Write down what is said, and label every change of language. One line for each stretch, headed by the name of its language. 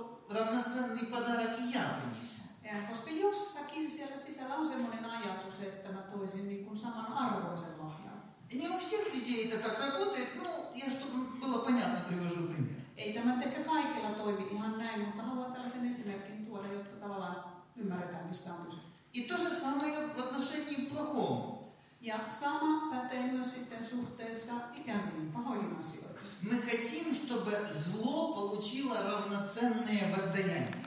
Russian: равноценный подарок я принесу.
Finnish: Koska jossakin siellä sisällä on semmoinen ajatus, että mä toisin niin kuin saman arvoisen lahjan.
Russian: Не у всех людей это так работает, но я, чтобы было понятно, привожу пример.
Finnish: Ei tämä ehkä kaikilla toimi ihan näin, mutta haluan tällaisen esimerkin tuoda, jotta tavallaan ymmärretään, mistä on kyse.
Russian: И то же самое в отношении плохом.
Finnish: Ja sama pätee myös sitten suhteessa ikäviin pahoihin asioihin.
Russian: Мы хотим, чтобы зло получило равноценное воздаяние.